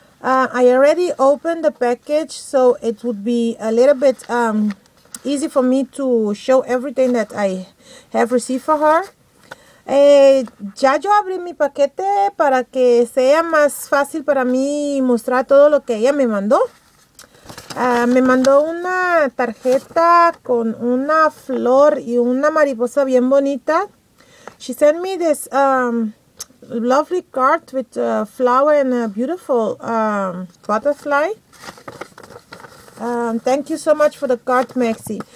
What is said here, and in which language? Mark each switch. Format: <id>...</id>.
<en>I already opened the package, so it would be a little bit easy for me to show everything that I have received for her.</en> <es>Ya yo abrí mi paquete para que sea más fácil para mí mostrar todo lo que ella me mandó. Me mandó una tarjeta con una flor y una mariposa bien bonita.</es> <en>She sent me this lovely card with a flower and a beautiful butterfly. Thank you so much for the card, Maxi.</en>